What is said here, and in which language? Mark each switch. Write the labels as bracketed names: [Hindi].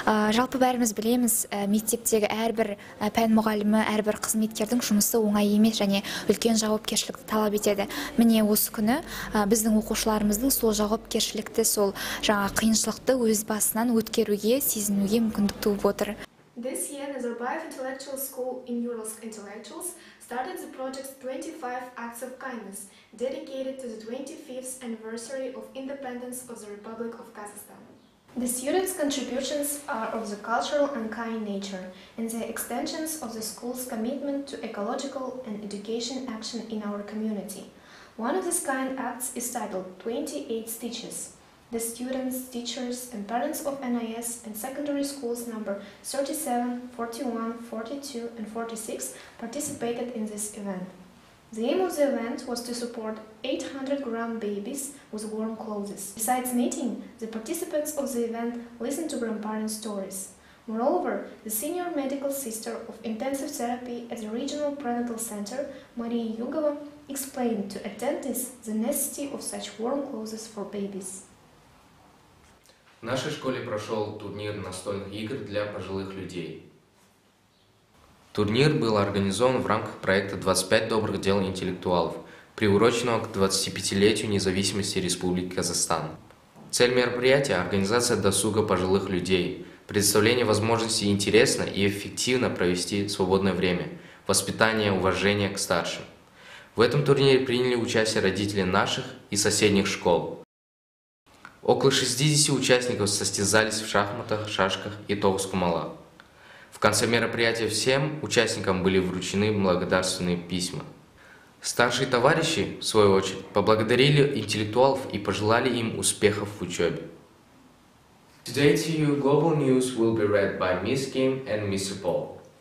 [Kazakh] Жалпы бәріміз білеміз, мектептегі әрбір пән мұғалімі, әрбір қызметкердің жұмысы оңай емес және үлкен жауапкершілікті талап етеді. Міне осы күні біздің оқушыларымыздың сол жауапкершілікті, сол жаңа қиыншылықты өз басынан өткеруге, сезінуге мүмкіндік туып отыр. [English] This year, Nazarbayev Intellectual School in Uralsk Intellectuals started the project 25 Acts of Kindness, dedicated to the 25th anniversary of independence of the Republic of Kazakhstan. The students' contributions are of the cultural and kind nature, and the extensions of the school's commitment to ecological and education action in our community. One of these kind acts is titled 28 Stitches. The students, teachers, and parents of NIS and secondary schools number 37, 41, 42, and 46 participated in this event. The aim of the event was to support 800-gram babies with warm clothes. Besides knitting, the participants of the event listened to grandparents' stories. Moreover, the senior medical sister of intensive therapy at the regional prenatal center, Maria Yugova, explained to attendees the necessity of such warm clothes for babies. [Russian] В нашей школе прошел турнир настольных игр для пожилых людей. Турнир был организован в рамках проекта «25 добрых дел интеллектуалов», приуроченного к 25-летию независимости Республики Казахстан. Цель мероприятия – организация досуга пожилых людей, предоставление возможности интересно и эффективно провести свободное время, воспитание уважения к старшим. В этом турнире приняли участие родители наших и соседних школ. Около 60 участников состязались в шахматах, шашках и тоғызқұмала. В конце мероприятия всем участникам были вручены благодарственные письма. Старшие товарищи, в свою очередь, поблагодарили интеллектуалов и пожелали им успехов в учебе. [English] Today to you, global news will be read by Miss Kim and Miss Paul.